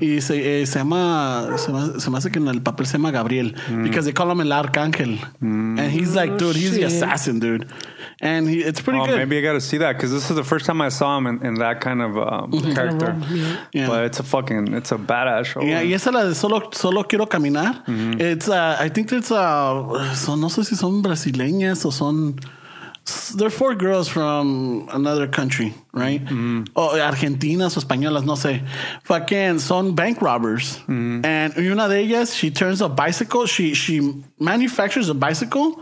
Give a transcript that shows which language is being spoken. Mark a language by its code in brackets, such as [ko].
[es] Y se llama, se me hace que en el papel se llama Gabriel. [en] Because they call him el Arcángel. And he's like, dude, he's the assassin, dude. And it's pretty good. Maybe I gotta see that, because this is the first time I saw him in that kind of character. Yeah. But it's a badass show. [es] Yeah, y esa la de solo quiero caminar. [en] It's I think it's [es] son, no sé si son brasileñas o son. [en] They're four girls from another country, right? Mm-hmm. [es] Oh, Argentinas o españolas, no sé. Fucking son [en] bank robbers. [es] Mm-hmm. [en] And [es] una de ellas, [en] she turns a bicycle. She manufactures a bicycle.